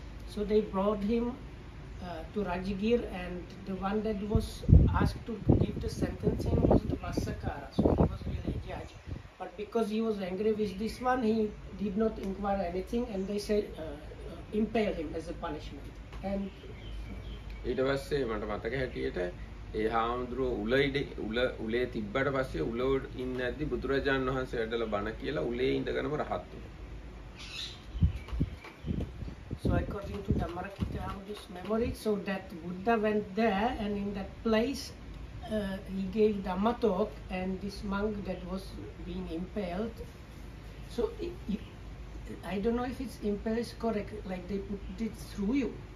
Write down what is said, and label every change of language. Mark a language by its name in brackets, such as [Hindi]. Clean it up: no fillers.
[English] So they brought him to Rajagir, and the one that was asked to give the sentencing was the Vassakara. So he was really a judge. But because he was angry with this one, he did not inquire anything, and they said impale him as a punishment. And [Sinhala] ඊට පස්සේ මට මතක හැටියට ඒ හාමුදුරුව උලේ තිබ්බට පස්සේ උල ඉන්න ඇද්දි බුදුරජාන් වහන්සේ වැඩලා බණ කියලා උලේ ඉඳගෙනම රහත් වුණා. [English] So according to the Dhammarakita Hamdu's memory, so that Buddha went there, and in that place he gave Dhamma talk, and this monk that was being impaled, so I don't know if it's impaled is correct, like they put it through you.